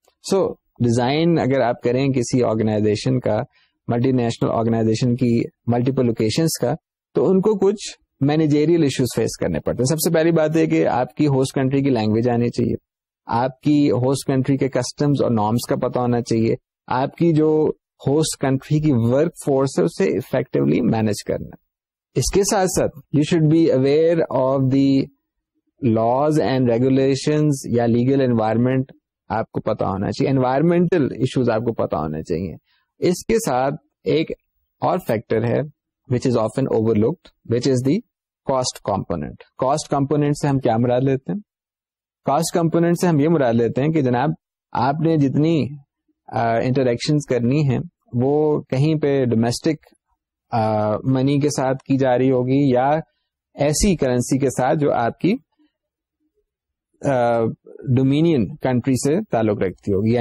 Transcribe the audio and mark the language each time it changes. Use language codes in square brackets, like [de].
[ur] So design اگر آپ کریں کسی آرگنائزیشن کا, ملٹی نیشنل آرگنائزیشن کی ملٹیپل لوکیشنز کا, تو ان کو کچھ مینیجیریل ایشوز فیس کرنے پڑتے ہیں. سب سے پہلی بات ہے کہ آپ کی ہوسٹ کنٹری کی لینگویج آنی چاہیے, آپ کی ہوسٹ کنٹری کے کسٹمز اور نارمز کا پتہ ہونا چاہیے, آپ کی جو ہوسٹ کنٹری کی ورک فورس ہے اسے افیکٹولی مینج کرنا. اس کے ساتھ ساتھ [en] you should be aware of the laws and regulations [ur] یا لیگل انوائرمنٹ آپ کو پتہ ہونا چاہیے, انوائرمنٹل ایشوز آپ کو پتہ ہونا چاہیے. اس کے ساتھ ایک اور فیکٹر ہے [en] which is often overlooked, which is the cost component. [ur] Cost component سے ہم کیا مراد لیتے ہیں؟ Cost component سے ہم یہ مراد لیتے ہیں کہ جناب آپ نے جتنی interactions کرنی ہیں وہ کہیں پہ domestic money کے ساتھ کی جا رہی ہوگی یا ایسی currency کے ساتھ جو آپ کی dominion country سے تعلق رکھتی ہوگی.